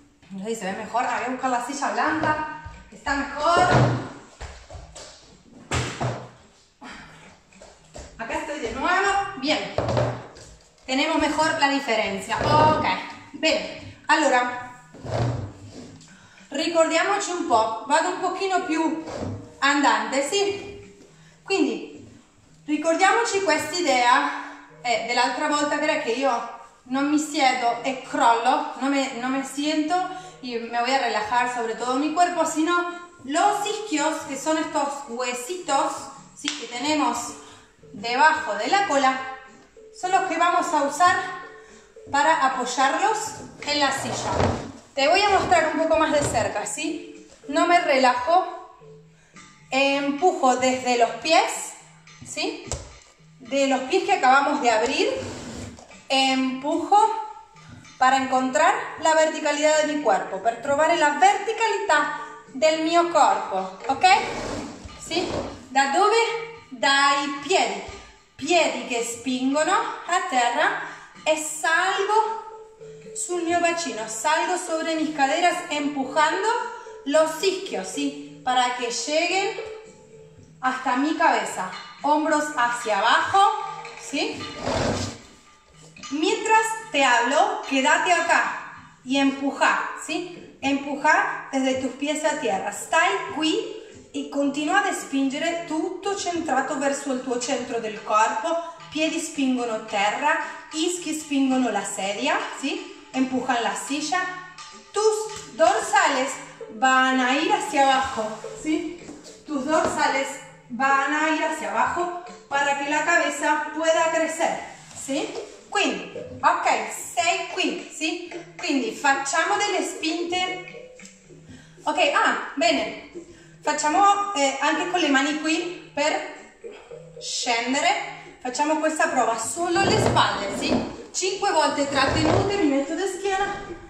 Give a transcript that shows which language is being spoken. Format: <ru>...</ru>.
<es>No sé si se ve mejor. Voy a buscar la silla blanda. Está mejor. Acá estoy de nuevo. Bien. Tenemos mejor la diferencia. Ok. Bien. Allora.</es> <it>Ricordiamoci un po', vado un pochino più andante, sì? Quindi, ricordiamoci questa idea dell'altra volta, vera, che io non mi siedo e crollo,</it> <es>non me siento e me voy a relajar sobre todo mi cuerpo, sino los isquios,</es> <it>che sono estos huesitos, sì, che tenemos</it> <es>debajo de la cola, son los que vamos a usar para apoyarlos en la silla. Te voy a mostrar un poco más de cerca, ¿sí? No me relajo, empujo desde los pies, ¿sí? De los pies que acabamos de abrir, empujo para encontrar la verticalidad de mi cuerpo,</es> <it>para trovare la verticalità del mio corpo,</it> <es>¿ok? ¿Sí? ¿Da dove? Dai piedi. Piedi che spingono a terra e salgo sul mio bacino, salgo sobre mis caderas empujando los isquios, ¿sí? Para que lleguen hasta mi cabeza. Hombros hacia abajo, ¿sí? Mientras te hablo, quédate acá y empuja, ¿sí? Empuja desde tus pies a tierra.</es> <it>Stai qui e continua a spingere tutto centrato verso il tuo centro del corpo. Piedi spingono terra, ischi spingono la sedia, ¿sí?</it> <es>Empujan la silla. Tus dorsales van a ir hacia abajo, ¿sí? Tus dorsales van a ir hacia abajo para que la cabeza pueda crecer, ¿sí?</es> <it>Quindi, ok, sei qui, sì? Quindi facciamo delle spinte. Ok, ah, bene. Facciamo anche con le mani qui per scendere. Facciamo questa prova solo le spalle, sì? 5 volte trattenute, mi metto di schiena.</it>